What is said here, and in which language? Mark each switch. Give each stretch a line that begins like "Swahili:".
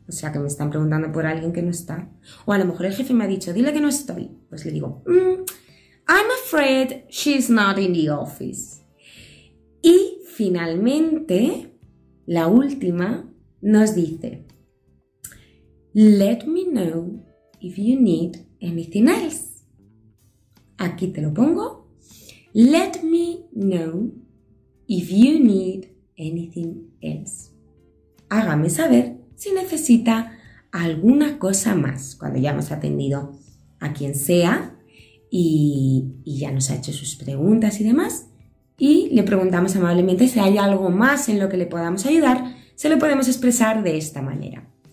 Spanish: O sea, que me están preguntando por alguien que no está. O a lo mejor el jefe me ha dicho, dile que no estoy. Pues le digo,
English: I'm afraid she's not in the office.
Spanish: Y finalmente, la última nos dice,
English: Let me know if you need anything else.
Spanish: Aquí te lo pongo.
English: Let me know if you need anything else.
Spanish: Hágame saber si necesita alguna cosa más. Cuando ya hemos atendido a quien sea y ya nos ha hecho sus preguntas y demás, y le preguntamos amablemente si hay algo más en lo que le podamos ayudar, se lo podemos expresar de esta manera.